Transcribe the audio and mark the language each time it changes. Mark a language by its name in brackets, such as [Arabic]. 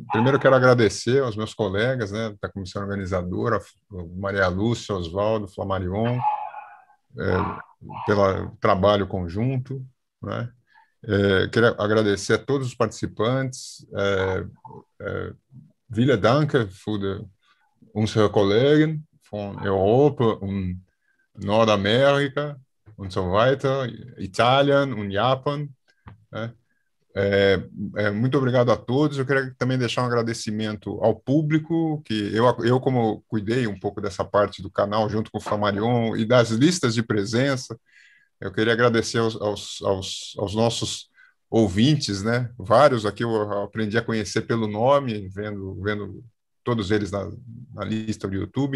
[Portuguese] Primeiro eu quero agradecer aos meus colegas, né, da comissão organizadora, Maria Lúcia, Oswaldo, Flamarion, pelo trabalho conjunto. Né? Queria agradecer a todos os participantes. [German] Vielen Dank für die... Unsere Kollegen von Europa und Nordamerika und so weiter, Italien und Japan. [Portuguese] Muito obrigado a todos. Eu queria também deixar um agradecimento ao público, que eu como cuidei um pouco dessa parte do canal, junto com o Flamarion, e das listas de presença, eu queria agradecer aos nossos ouvintes, né? Vários aqui eu aprendi a conhecer pelo nome, vendo todos eles na lista do YouTube.